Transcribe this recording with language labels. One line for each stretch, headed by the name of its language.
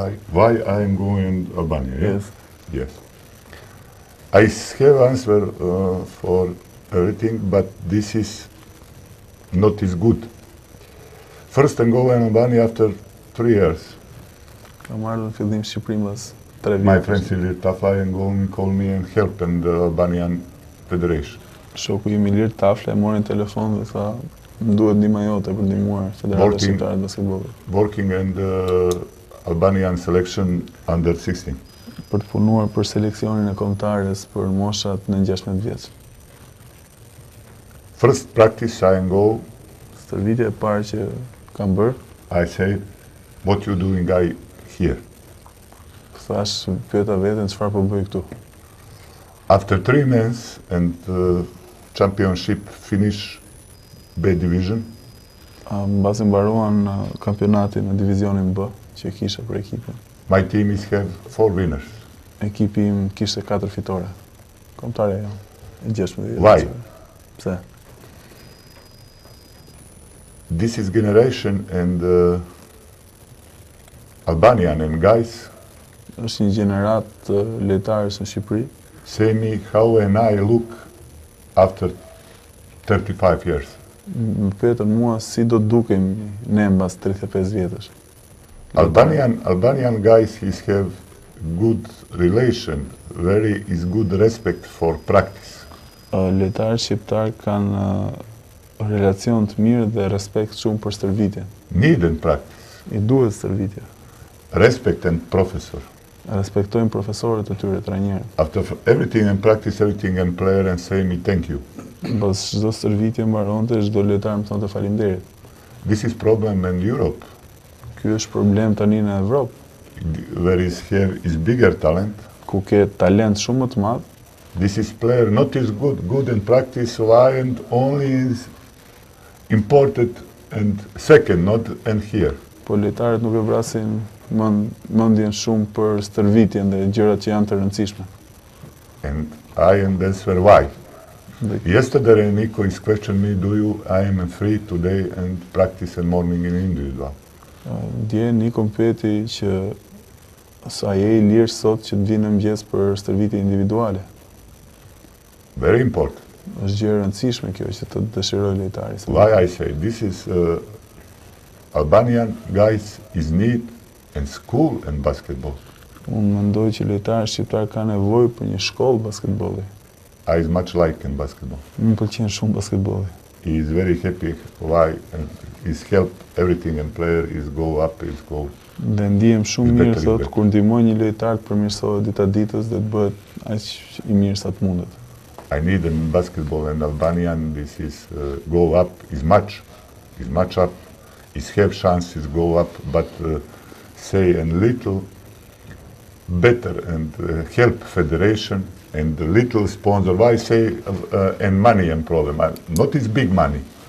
English: Why I am going to Albania? Yes. I have answer for everything, but this is not as good. First I'm going to Albania after 3 years. I'm going to live in Shqiprimës 3 years. My friends in Tafla are going to call me and help in the Albanian Federation.
Albanian: Shoku im Ilir Tafla e mori në telefon dhe tha, më duhet ndihma jote për ndihmuar Federatën Shqiptare të Basketbollit.
English: Working in the Albanian selection under 16.
Albanian: Për të punuar për seleksionin e kombëtares për moshat në 16 vjeç.
English: First practice I am go.
Albanian: Stërvitje e parë që kam bërë.
English: I say, what you doing guy here?
Albanian: Thash, pyeta vetën, çfarë po bëj këtu?
English: After 3 months and the championship finish B division.
Albanian: Mbasi mbaruan kampionatin në divizionin B që kisha për ekipën.
English: My team is have 4 winners.
Albanian: Ekipi im kishte 4 fitore. Kontare jo. 16.
English: Why?
Albanian: Pse?
English: This is generation and Albanian and guys.
Albanian: Është një gjenerat lojtarësh në Shqipëri.
English: Say me how and I look after 35 years.
Albanian: Më pyetën mua si do të dukem ne mbas 35 vjetësh.
English: Albanian guys is have good relation, very is good respect for practice.
Albanian: Lojtarët shqiptar kanë relacion të mirë dhe respekt shumë për stërvitje.
English: Needed practice.
Albanian: I duhet stërvitje.
English: Respect and professor.
Albanian: Respektojmë profesorët e tyre, trajnerët.
English: After everything and practice, everything and player and say me thank you.
Albanian: Pas çdo stërvitje mbaronte, çdo lojtar më thonte faleminderit.
English: This is problem in Europe.
Albanian: Ky është problem tani në Evropë.
English: There is here is bigger talent.
Albanian: Ku ke talent shumë më të madh.
English: This is player not as good in practice, why and only is important and second, not and here.
Albanian: Po lojtarët nuk e vrasin mendjen shumë për stërvitjen dhe gjërat që janë të rëndësishme.
English: And I am answer why. Yesterday Niko is questioned me, do you, I am free today and practice in morning in individual.
Albanian: Dje Niko më pyeti që sa je i lirë sot që të vinë në mëngjes për stërvitje individuale.
English: Very important.
Albanian: Është gjë e rëndësishme kjo që të dëshiroj lojtari.
English: Why I say, this is Albanian guys is need and school and basketball.
Albanian: Unë mendoj që lojtarë shqiptarë ka nevojë për një shkollë basketbolli.
English: I is much like in basketball.
Albanian: Më pëlqen shumë basketbolli.
English: He is very happy why and is help everything and player is go up is go.
Albanian: Dhe ndihem shumë mirë sot kur ndihmoj një lojtar të përmirësohet dita ditës dhe të bëhet aq i mirë sa të mundet.
English: I need in basketball and Albanian this is go up is much up is have chance is go up but say a little better and help federation and the little sponsor, why say, and money and problem, not is big money.